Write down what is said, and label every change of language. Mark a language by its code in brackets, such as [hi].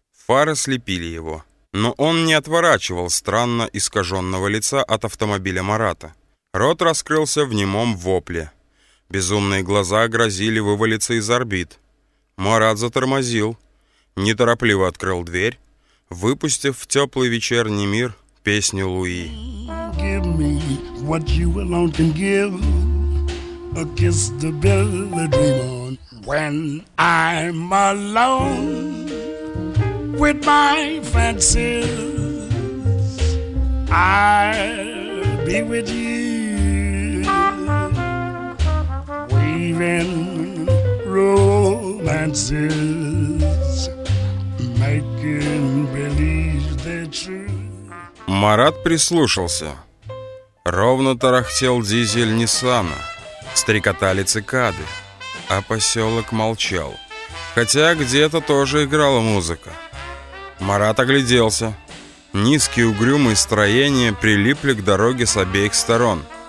[ru] Фары слепили его, но он не отворачивал странно искаженного лица от автомобиля Марата. Рот раскрылся в немом вопле. Безумные глаза грозили вывалиться из орбит. Марат затормозил, неторопливо открыл дверь, выпустив в теплый вечерний мир песню Луи. [en] Give me what you alone can give. A kiss to build a dream on. When I'm alone with my fancies, I'll be with you, weaving romances, making believe they're true. [ru] Марат прислушался. Ровно тарахтел дизель Ниссана. Стрекотали цикады, а поселок молчал, хотя где-то тоже играла музыка. Марат огляделся. Низкие угрюмые строения прилипли к дороге с обеих сторон.